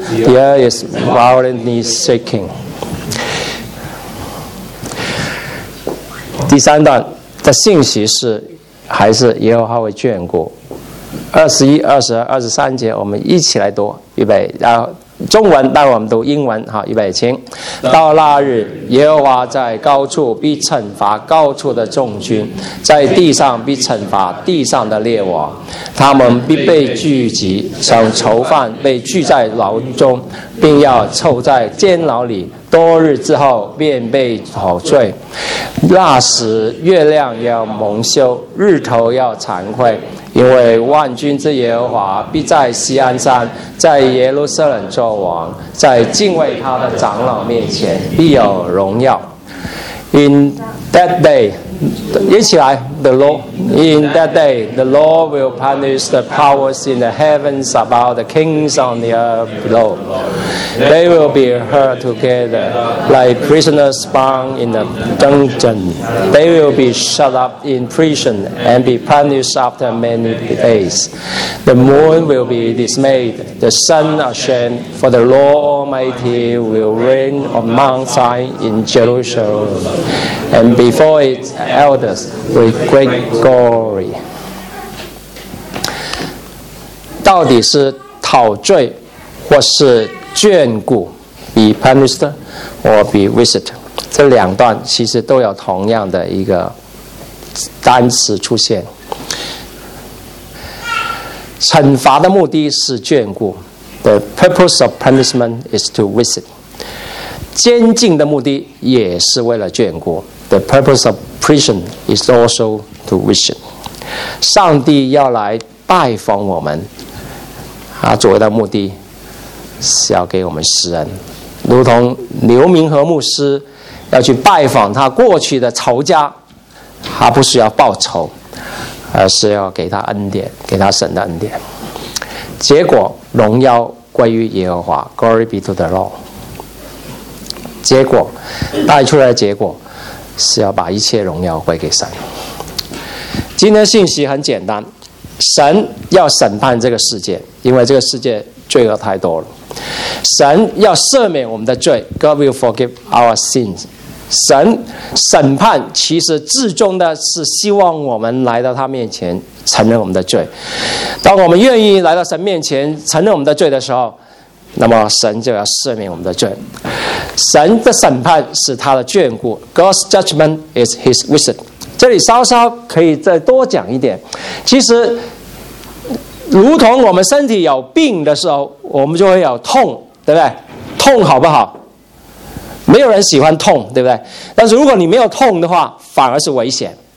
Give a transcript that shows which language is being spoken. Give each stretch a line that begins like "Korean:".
English: The earth is violently shaking.
Chinese: 第三段的信息是，还是耶和华会眷顾。 21、22、23节，我们一起来读，预备，然后。中文，但我们读英文，好，预备，请。到那日，耶和华在高处必惩罚高处的众军，在地上必惩罚地上的列王，他们必被聚集，像囚犯被聚在牢中，并要凑在监牢里，多日之后便被陶醉。那时月亮要蒙羞，日头要惭愧，因为万军之耶和华必在锡安山，在耶路撒冷作王，在敬畏他的长老面前必有荣耀。
English: In that day，一起来 the law， In that day the law will punish the powers in the heavens above the kings on the earth below. They will be heard together like prisoners bound in the dungeon. They will be shut up in prison and be punished after many days. The moon will be dismayed, the sun ashamed, for the Lord Almighty will reign on Mount Zion in Jerusalem and before its elders with great glory.
Chinese: 到底是讨罪或是眷顾， be punished or be visited，这两段其实都有同样的一个单词出现。惩罚的目的是眷顾， the purpose of punishment is to visit。监禁的目的也是为了眷顾， the purpose of prison is also to visit。上帝要来拜访我们，他主要的目的是要给我们施恩，如同刘明和牧师要去拜访他过去的仇家，他不是要报仇，而是要给他恩典，给他神的恩典。结果荣耀归于耶和华， Glory be to the Lord。结果带出来的结果是要把一切荣耀归给神。今天信息很简单，神要审判这个世界，因为这个世界罪恶太多了。神要赦免我们的罪， God will forgive our sins。神审判其实至终的是希望我们来到他面前承认我们的罪。当我们愿意来到神面前承认我们的罪的时候，那么神就要赦免我们的罪。神的审判是他的眷顾， God's judgment is his wisdom。这里稍稍可以再多讲一点，其实如同我们身体有病的时候，我们就会有痛，对不对？痛好不好？没有人喜欢痛，对不对？但是如果你没有痛的话，反而是危险。